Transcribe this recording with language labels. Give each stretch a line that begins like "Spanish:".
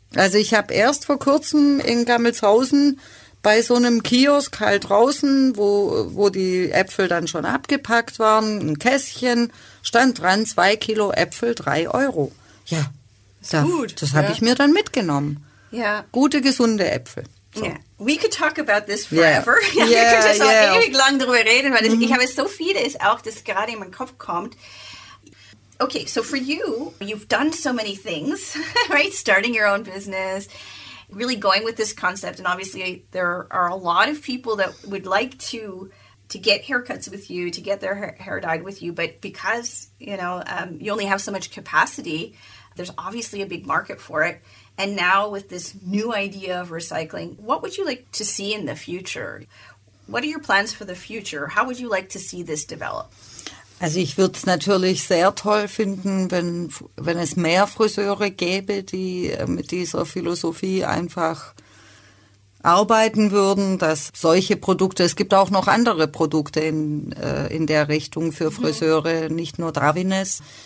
German: Also ich habe erst vor kurzem in Gammelshausen bei so einem Kiosk halt draußen, wo die Äpfel dann schon abgepackt waren, ein Kästchen, stand dran, 2 Kilo Äpfel, 3 Euro. Ja, das ist gut. Das habe ich mir dann mitgenommen. Ja. Gute, gesunde Äpfel.
English: So.
German: Ja.
English: We could talk about this forever. Yeah.
German: Ja, wir können das auch ewig lang darüber reden, weil ich habe so vieles auch, das gerade in meinen Kopf kommt.
English: Okay, so for you, you've done so many things, right? Starting your own business, really going with this concept. And obviously, there are a lot of people that would like to get haircuts with you, to get their hair dyed with you. But because, you know, you only have so much capacity, there's obviously a big market for it. And now with this new idea of recycling, what would you like to see in the future? What are your plans for the future? How would you like to see this develop?
German: Also ich würde es natürlich sehr toll finden, wenn es mehr Friseure gäbe, die mit dieser Philosophie einfach arbeiten würden, dass solche Produkte, es gibt auch noch andere Produkte in der Richtung für Friseure, nicht nur Dravines.